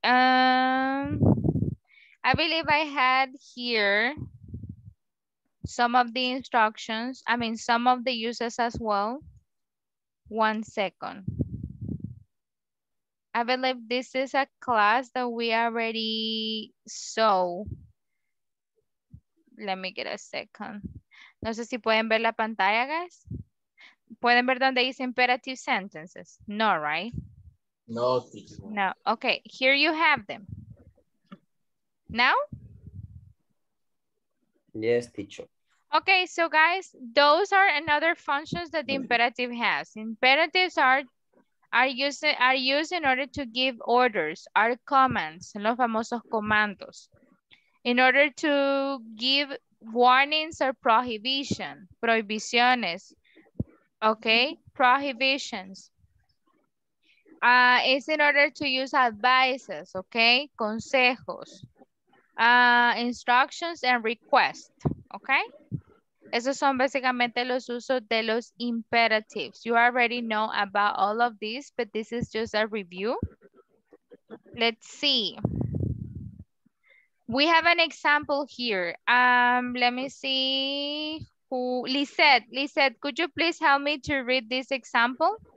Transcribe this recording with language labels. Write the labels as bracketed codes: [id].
[en] I believe I had here some of the instructions. I mean, some of the uses as well. 1 second. I believe this is a class that we already saw. Let me get a second. [es] No sé si pueden ver la pantalla, guys. ¿Pueden ver donde dice imperative sentences? No, right? No. [en] No. Okay, here you have them. Now? Yes, teacher. Okay, so guys, those are another functions that the imperative has. Imperatives are used in order to give orders, are commands, [es] los famosos comandos, [en] in order to give warnings or prohibiciones, okay? Prohibitions. It's in order to use advices, okay? Consejos, instructions and requests, okay? [es] Esos son básicamente los usos de los imperatives. [en] You already know about all of these, but this is just a review. Let's see. We have an example here. Let me see who, Lisette, could you please help me to read this example?